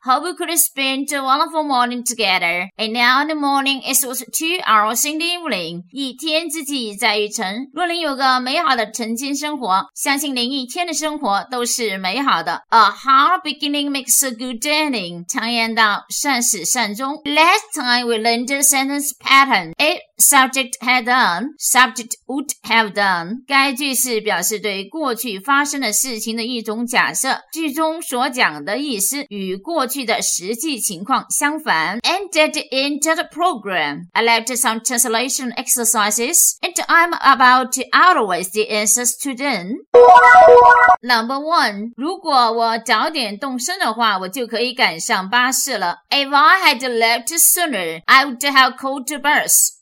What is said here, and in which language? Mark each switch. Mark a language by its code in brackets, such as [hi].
[en] Hope we could spend a wonderful morning together. And now in the morning, it's also 2 hours in the evening. [zh] 一天之计在于晨。若琳有个美好的晨间生活，相信琳一天的生活都是美好的。 [en] A hard beginning makes a good ending. [zh] 常言道，善始善终。 [en] Last time we learned the sentence pattern. Subject had done, subject would have done. [zh] 该句是表示对过去发生的事情的一种假设，句中所讲的意思与过去的实际情况相反。 [en] And at the end of the program, I left some translation exercises, and I'm about to outwise the answers to them. Number one, [zh] 如果我早点动身的话，我就可以赶上巴士了。 [en] If I had left sooner, I would have caught the bus.